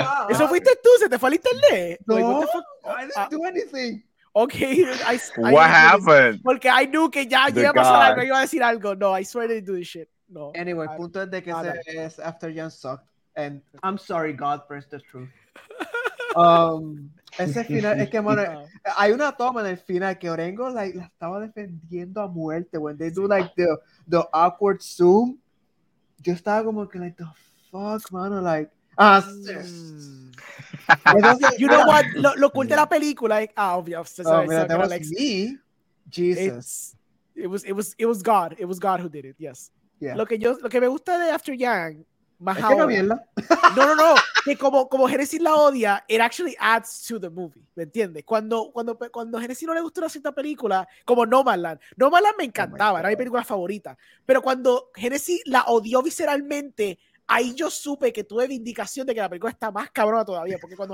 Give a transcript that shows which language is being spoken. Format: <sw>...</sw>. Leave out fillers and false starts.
<es>Eso fuiste tú, se te fue al internet.</es> <en>No, like, what the fuck? I didn't do anything. Okay. What happened?</en> <es>Porque</es> <en>I knew</en> <es>que ya iba a pasar algo, iba a decir algo.</es> <en>No, I swear I didn't do this shit. No. Anyway,</en> <es>el punto es de que es</es> <en>After Jan sucked. And I'm sorry, God, for the truth.</en> <es>ese final, es que, mano, hay una toma en el final que Orengo, like, la estaba defendiendo a muerte.</es> <en>When they do, like, the awkward zoom,</en> <es>yo estaba como que, like,</es> <en>the fuck,</en> <es>mano, like, entonces,</es> <en>you know what,</en> <es>lo cool de la película, like, ah, obvio,</es> <en>oh, sorry, mira, so, like, me, Jesus, it was God, it was God who did it, yes. Yeah.</en> <es>Lo que me gusta de After Yang, más ahora, que no, no, que como Genesis la odia,</es> <en>it actually adds to the movie,</en> <es>¿me entiendes? Cuando Genesis no le gustó una cierta película, como Nomadland me encantaba, oh, era mi película favorita, pero cuando Genesis la odió visceralmente, ahí yo supe que tuve vindicación de que la película está más cabrona todavía, porque cuando</es>